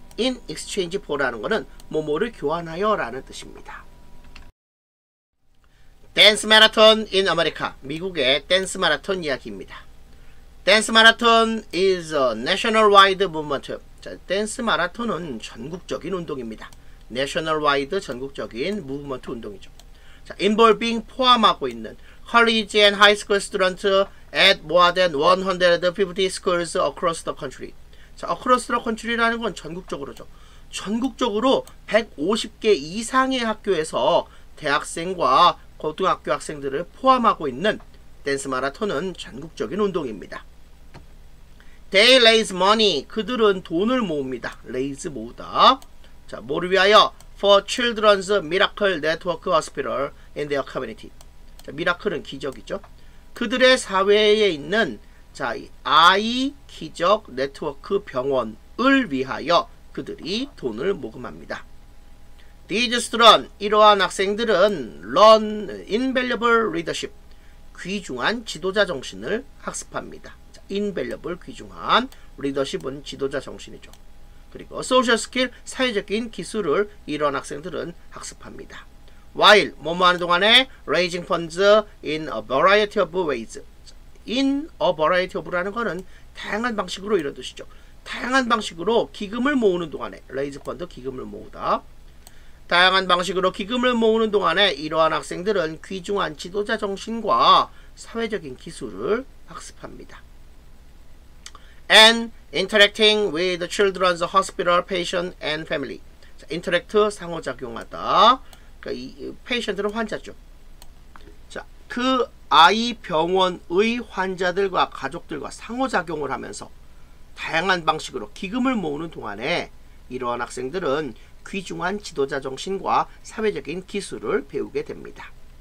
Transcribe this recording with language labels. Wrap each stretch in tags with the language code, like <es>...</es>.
<ko>In exchange for라는 것은 뭐뭐를 교환하여라는 뜻입니다.</ko> <en>Dance Marathon in America.</en> <ko>미국의 댄스 마라톤 이야기입니다.</ko> <en>Dance Marathon is a national-wide movement.</en> <ko>자, 댄스 마라톤은 전국적인 운동입니다. National-wide 전국적인 movement 운동이죠.</ko> <en>자, involving</en> <ko>포함하고 있는</ko> <en>college and high school students at more than 150 schools across the country.</en> <ko>자, across the country라는 건 전국적으로죠. 전국적으로 150개 이상의 학교에서 대학생과 고등학교 학생들을 포함하고 있는 댄스 마라톤은 전국적인 운동입니다.</ko> <en>They raise money.</en> <ko>그들은 돈을 모읍니다. raise 모으다. 자, 뭐를 위하여?</ko> <en>For Children's Miracle Network Hospital in their community.</en> <ko>자, 미라클은 기적이죠. 그들의 사회에 있는 자, 아이 기적 네트워크 병원을 위하여 그들이 돈을 모금합니다.</ko> <en>These students,</en> <ko>이러한 학생들은</ko> <en>learn invaluable leadership,</en> <ko>귀중한 지도자 정신을 학습합니다. 자, invaluable, 귀중한, leadership은 지도자 정신이죠. 그리고 social skill, 사회적인 기술을 이러한 학생들은 학습합니다.</ko> <en>While,</en> <ko>뭐뭐하는 동안에</ko> <en>raising funds in a variety of ways, In a variety of라는 것은</en> <ko>다양한 방식으로 이런 뜻이죠. 다양한 방식으로 기금을 모으는 동안에 raise fund 기금을 모으다. 다양한 방식으로 기금을 모으는 동안에 이러한 학생들은 귀중한 지도자 정신과 사회적인 기술을 학습합니다.</ko> <en>And interacting with the children's hospital patient and family.</en> <ko>자, interact 상호작용하다. 그러니까 이 patient은 환자죠. 자, 그 아이 병원의 환자들과 가족들과 상호작용을 하면서 다양한 방식으로 기금을 모으는 동안에 이러한 학생들은 귀중한 지도자 정신과 사회적인 기술을 배우게 됩니다.</ko>